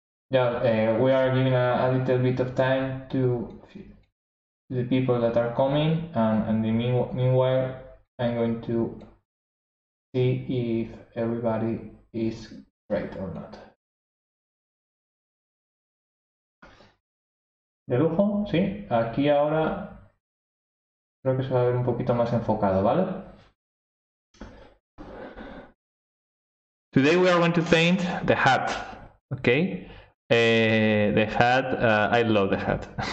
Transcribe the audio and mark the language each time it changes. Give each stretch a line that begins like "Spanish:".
English: We are giving a little bit of time to the people that are coming, and meanwhile, I'm going to see if everybody is great or not.
Spanish: De lujo, sí. Aquí ahora creo que se va a ver un poquito más enfocado, ¿vale?
English: Today we are going to paint the hat, okay? The hat, I love the hat.